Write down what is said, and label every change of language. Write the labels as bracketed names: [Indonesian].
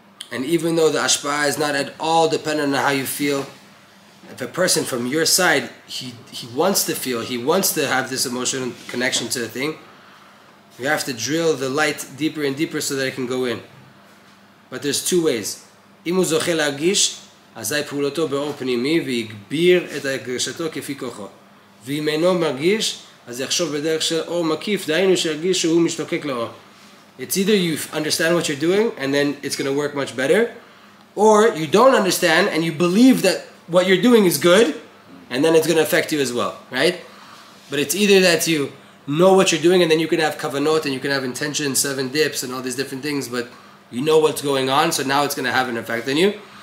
[English] And even though the ashpa'ah is not at all dependent on how you feel, if a person from your side, he wants to feel, he wants to have this emotional connection to the thing, you have to drill the light deeper and deeper so that it can go in. But there's two ways. [Hebrew] אם הוא זוכה להרגיש, אזי פעולתו באור פנימי ויגביר את הרגשתו כפי כוחו. ואם אינו מרגיש, אז יחשוב בדרך של אור מקיף, דהיינו שירגיש שהוא משתוקק לאור. [English] It's either you understand what you're doing and then it's going to work much better, or you don't understand and you believe that what you're doing is good and then it's going to affect you as well, right? But it's either that you know what you're doing and then you can have kavanot and you can have intention, seven dips and all these different things, but you know what's going on, so now it's going to have an effect on you.